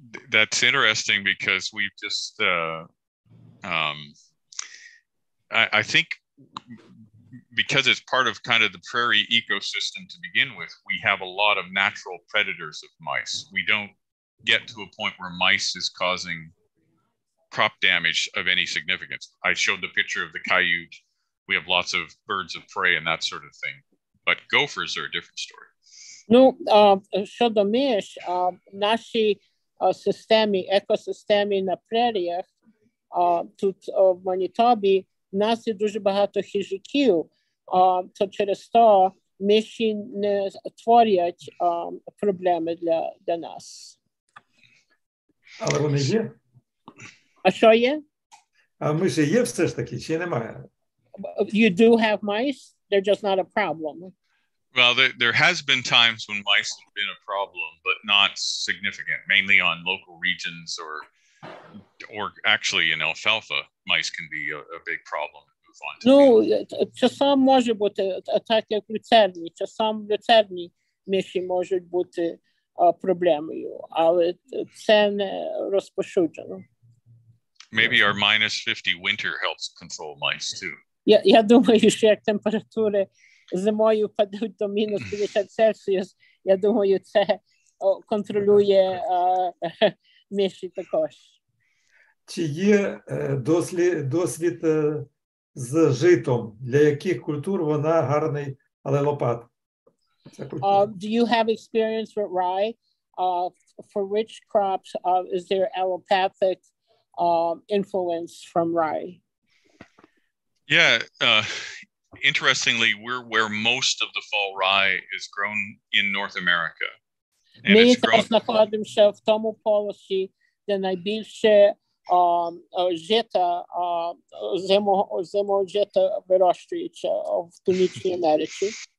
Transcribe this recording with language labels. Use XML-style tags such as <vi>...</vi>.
<en>That's interesting because we've just I think because it's part of kind of the prairie ecosystem to begin with, we have a lot of natural predators of mice. We don't get to a point where mice is causing crop damage of any significance. I showed the picture of the coyote. We have lots of birds of prey and that sort of thing. But gophers are a different story.</en> <uk>Ну, щодо миш, наші системи, екосистеми на преріях, тут в Манітобі в нас є дуже багато хижаків, то через то миші не творять проблеми для нас. Але вони є? А що є? А миші є все ж таки, чи немає?</uk> <en>You do have mice, they're just not a problem. Well, there has been times when mice have been a problem, but not significant, mainly on local regions or actually in alfalfa mice can be a big problem to move on to.</en> <uk>Ну, часом може бути так, як в люцерні, часом в люцерні миші можуть бути проблемою, але це не розпошуджено.</uk> <en>Maybe our minus 50 winter helps control mice too.</en> <uk>Я думаю, що як температури зимою падуть до мінус 50 Цельсіус, я думаю, це контролює миші також. Чи є досвід з житом? Для яких культур вона гарний, але лопат?</uk> <en>Do you have experience with rye? For which crops is there allopathic influence from rye? Yeah, interestingly, we're where most of the fall rye is grown in North America.</en> <uk>Мені знаходимося ще в тому полосі, де найбільше жита, зимового жита вирощується в Північній Америці.</uk>